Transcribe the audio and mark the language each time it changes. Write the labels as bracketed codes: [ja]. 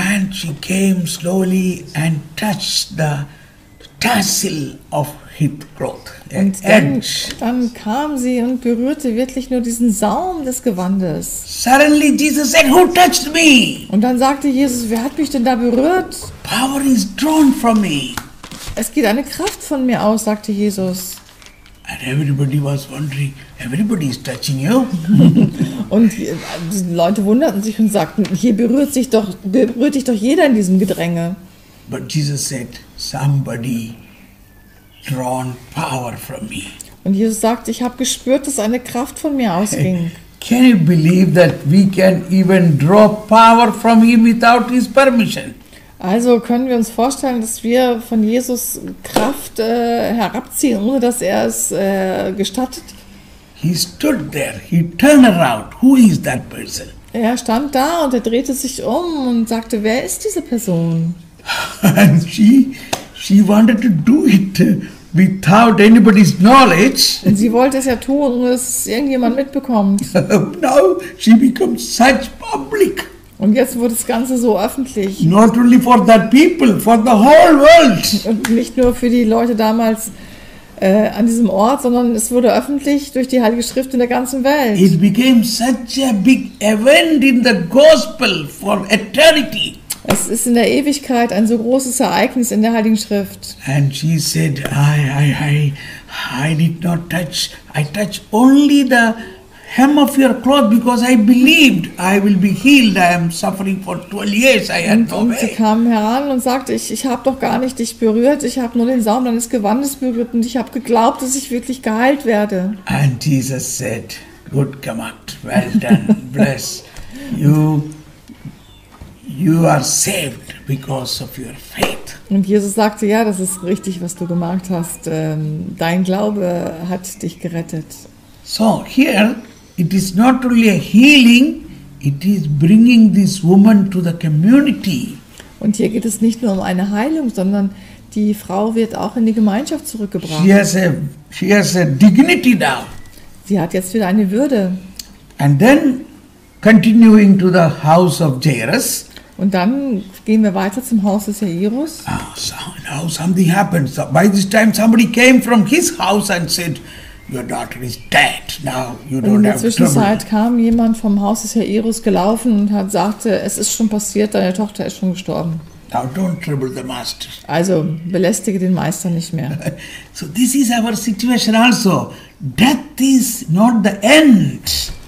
[en] And she came slowly and touched the tassel of hip cloth. [de] Und dann kam sie und berührte wirklich nur diesen Saum des Gewandes. [en] Suddenly Jesus said, "Who touched me?" [de] Und dann sagte Jesus, wer hat mich denn da berührt? [en] Power is drawn from me. [de] Es geht eine Kraft von mir aus, sagte Jesus. [en] And everybody was wondering, everybody is touching you. [de] Und die Leute wunderten sich und sagten, hier berührt dich doch jeder in diesem Gedränge. [en] But Jesus said, somebody drawn power from me. [de] Und Jesus sagt, ich habe gespürt, dass eine Kraft von mir ausging. [en] Can you believe that we can even draw power from him without his permission? [de] Also können wir uns vorstellen, dass wir von Jesus Kraft herabziehen, ohne dass er es gestattet? [en] He stood there. He turned around. Who is that person? [de] Er stand da und er drehte sich um und sagte, wer ist diese Person? [en] And she wanted to do it without anybody's knowledge. [de] Und sie wollte es ja tun, ohne dass irgendjemand mitbekommt. [en] Now she becomes such public. [de] Und jetzt wurde das Ganze so öffentlich. [en] Not only for that people, for the whole world. [de] Und nicht nur für die Leute damals an diesem Ort, sondern es wurde öffentlich durch die Heilige Schrift in der ganzen Welt. [en] It became such a big event in the gospel for eternity. [de] Es ist in der Ewigkeit ein so großes Ereignis in der Heiligen Schrift. [en] And she said, I did not touch. I touch only the hem of your cloth, because I believed I will be healed. I am suffering for 12 years. I had no way. [de] Sie kam heran und sagte, ich habe doch gar nicht dich berührt. Ich habe nur den Saum deines Gewandes berührt und ich habe geglaubt, dass ich wirklich geheilt werde. [en] And Jesus said, good [de] gemacht, [en] well done, bless you. You are saved because of your faith. [de] Und Jesus sagte, ja, das ist richtig, was du gemacht hast. Dein Glaube hat dich gerettet. [en] So here, it is not only a healing, it is bringing this woman to the community. [de] Und hier geht es nicht nur um eine Heilung, sondern die Frau wird auch in die Gemeinschaft zurückgebracht. [en] She has a dignity now. [de] Sie hat jetzt wieder eine Würde. [en] And then continuing to the house of Jairus. [de] Und dann gehen wir weiter zum Haus des Jairus. [en] Oh, so, now something happens. By this time somebody came from his house and said, your daughter is dead. Now you don't have trouble. [de] In der Zwischenzeit kam jemand vom Haus des Jairus gelaufen und hat sagte, es ist schon passiert, deine Tochter ist schon gestorben. [en] Now don't trouble the master. [de] Also belästige den Meister nicht mehr. [en] So this is our situation also. Death is not the end.